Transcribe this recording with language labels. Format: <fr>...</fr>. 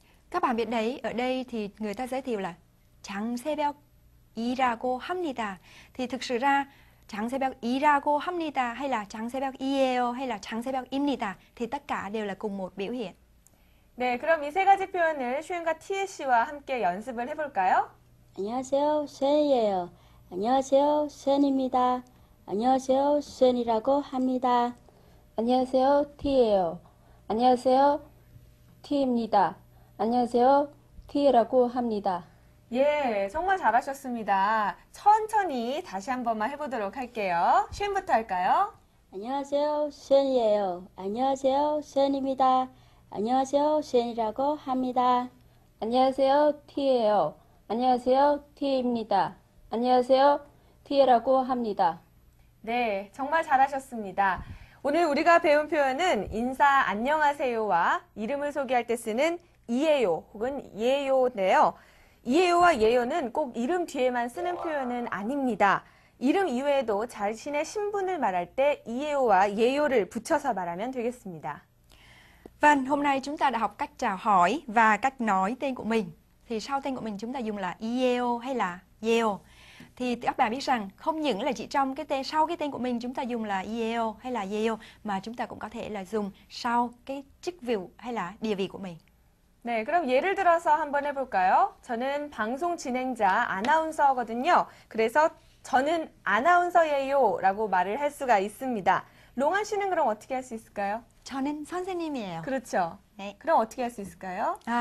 <vi>Các bạn biết đấy, ở đây thì người ta giới thiệu là</vi> <ko>장새벽 이라고 합니다.</ko> <vi>Thì thực sự ra</vi> <ko>장새벽이라고 합니다</ko> <vi>hay là</vi> <ko>장새벽이에요</ko> <vi>hay là</vi> <ko>장새벽입니다</ko> <vi>thì tất cả đều là cùng một biểu hiện.</vi> <ko>네, 그럼 이 세 가지 표현을 슈엔과 티에 씨와 함께 연습을 해 볼까요? 안녕하세요. 슈엔이에요. 안녕하세요. 슈엔입니다. 안녕하세요. 슈엔이라고 합니다. 안녕하세요. 티에요. 안녕하세요. 티입니다. 안녕하세요. 티라고 합니다. 예, 정말 잘하셨습니다. 천천히 다시 한 번만 해보도록 할게요. 쉔부터 할까요? 안녕하세요, 쉔이에요. 안녕하세요, 쉔입니다. 안녕하세요, 쉔이라고 합니다. 안녕하세요, 티예요. 안녕하세요, 티입니다. 안녕하세요, 티라고 합니다. 네, 정말 잘하셨습니다. 오늘 우리가 배운 표현은 인사 안녕하세요와 이름을 소개할 때 쓰는 이에요 혹은 예요인데요. 이에요와 예요는 꼭 이름 뒤에만 쓰는 표현은 아닙니다. 이름 이외에도 자신의 신분을 말할 때 이에요와 예요를 붙여서 말하면 되겠습니다.</ko> <vi>Vâng, hôm nay chúng ta đã học cách chào hỏi và cách nói tên của mình. Thì sau tên của mình chúng ta dùng là 이에요 hay là 예요. Thì các bạn biết rằng không những là chỉ trong cái tên sau cái tên của mình chúng ta dùng là 이에요 hay là 예요 mà chúng ta cũng có thể là dùng sau cái chức vụ hay là địa vị của mình.</vi> <ko>네, 그럼 예를 들어서 한번 해볼까요? 저는 방송 진행자 아나운서거든요. 그래서 저는 아나운서예요 라고 말을 할 수가 있습니다. 롱한 씨는 그럼 어떻게 할 수 있을까요? 저는 선생님이에요. 그렇죠. 네. 그럼 어떻게 할 수 있을까요?</ko>